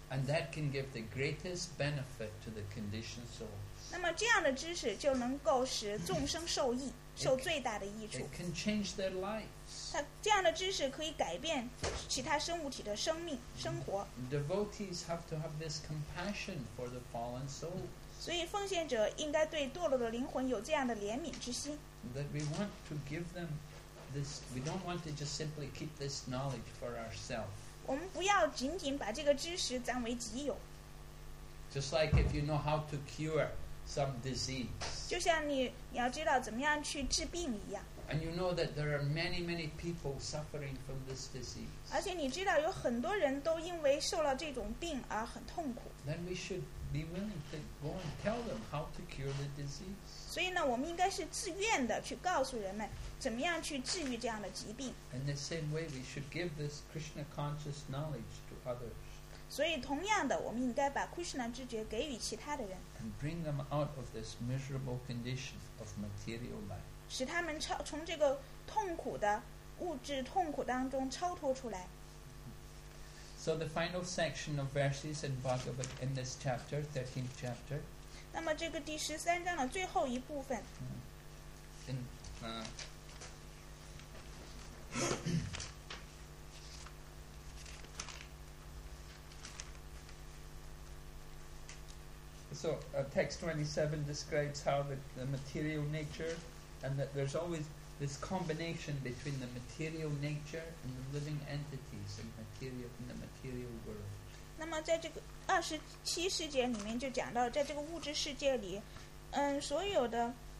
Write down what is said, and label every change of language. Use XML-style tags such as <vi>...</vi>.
<en>And that can give the greatest benefit to the conditioned soul.</en> <zh>那么这样的知识就能够使众生受益，受最大的益处。</zh> <en>It can change their lives.</en> <zh>它这样的知识可以改变其他生物体的生命生活。</zh> <en>Devotees have to have this compassion for the fallen souls.</en> <zh>所以奉献者应该对堕落的灵魂有这样的怜悯之心。</zh> <en>That we want to give them this, we don't want to just simply keep this knowledge for ourselves.</en> <zh>我们不要仅仅把这个知识占为己有。</zh> <en>Just like if you know how to cure some disease.</en> <zh>就像你要知道怎么样去治病一样。</zh> <en>And you know that there are many, many people suffering from this disease.</en> <zh>而且你知道有很多人都因为受了这种病而很痛苦。</zh> <en>Then we should be willing to go and tell them how to cure the disease.</en> <zh>所以呢，我们应该是自愿的去告诉人们怎么样去治愈这样的疾病。</zh> <en>In the same way, we should give this Krishna conscious knowledge to others.</en> <zh>所以同样的，我们应该把 Krishna 知觉给予其他的人，</zh> <en>and bring them out of this miserable condition of material life.</en> <zh>使他们从这个痛苦的物质痛苦当中超脱出来。</zh> <en>So the final section of verses in Bhagavad in this chapter, 13th chapter.</en> <zh>那么这个第十三章的最后一部分。</zh> <en>So text 27 describes how the material nature, and that there's always this combination between the material nature and the living entities in the material world.</en> <zh>那么在这个二十七世界里面就讲到，在这个物质世界里，所有的</zh>